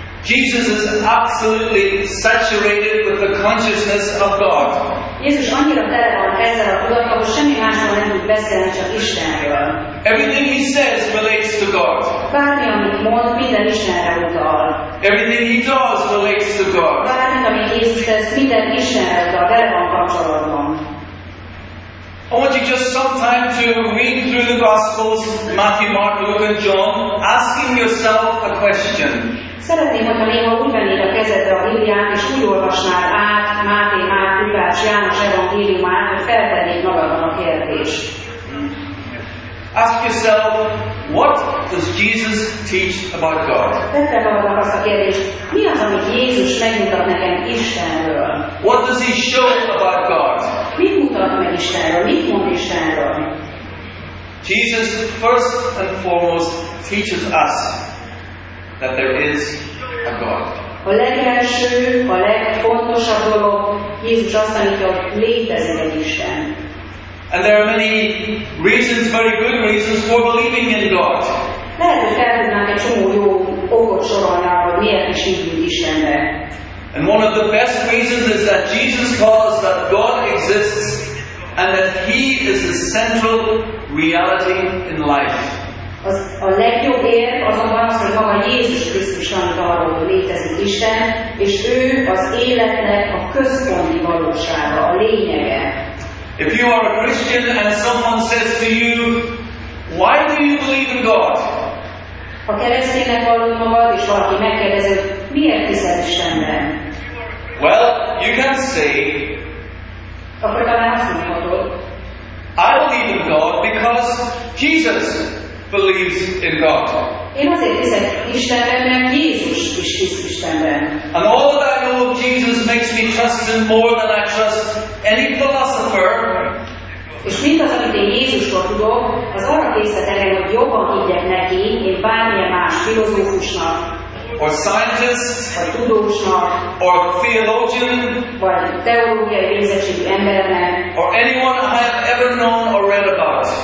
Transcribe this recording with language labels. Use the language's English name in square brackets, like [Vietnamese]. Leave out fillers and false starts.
[English] Jesus is absolutely saturated with the consciousness of God. [Hungarian] Jézus annyira tele van ezzel a tudattal, hogy semmi másról nem tud beszélni, csak Istenről. [English] Everything he says relates to God. [Hungarian] Bármi, amit mond, minden Istenre utal. [English] Everything he does relates to God. [Hungarian] Bármi, amit Jézus tesz, minden Istenre utal, vele van kapcsolatban. [English] I want you just some time to read through the Gospels, Matthew, Mark, Luke and John, asking yourself a question. [Hungarian] Szeretném, hogyha néha úgy vennéd a kezedre a Bibliát, és úgy olvasnál át Máté, Márk, Lukács, János evangéliumát, hogy feltennéd magadban a kérdést. [English] Ask yourself, what does Jesus teach about God? [Hungarian] Tette magadnak azt a kérdést, mi az, amit Jézus megmutat nekem Istenről? [English] What does he show about God? [Hungarian] Mit mutat meg Istenről? Mit mond Istenről? [English] Jesus first and foremost teaches us that there is a God. [Hungarian] A legelső, a legfontosabb dolog, Jézus azt tanítja, hogy létezik egy Isten. [English] And there are many reasons, very good reasons, for believing in God. [Hungarian] Lehet, hogy felhoznánk egy csomó jó okot sorolnál, hogy miért is hívjuk Istenbe. [English] And one of the best reasons is that Jesus calls that God exists and that He is the central reality in life. [Hungarian] A legjobb érv azonban az, hogy maga Jézus Krisztus arról, hogy létezik Isten, és ő az életnek a központi valósága, a lényege. [English] If you are a Christian and someone says to you, why do you believe in God? [Hungarian] Ha kereszténynek vallod magad, és valaki megkérdezi, miért hiszel Istenben? [English] Well, you can say, [Hungarian] akkor talán azt mondhatod, [English] I believe in God because Jesus believes in God. [Hungarian] Én azért hiszek Istenben, mert Jézus is hisz Istenben. [English] And all that I know of Jesus makes me trust Him more than I trust any philosopher. [Hungarian] És mindaz, amit én Jézusról tudok, az arra készítettem, hogy jobban higgyek neki, mint bármilyen más filozófusnak. [English] Or scientist, [Hungarian] vagy tudósnak, [English] or theologian, [Hungarian] vagy teológiai végzettségű embernek, [English] or anyone I have ever known or read about,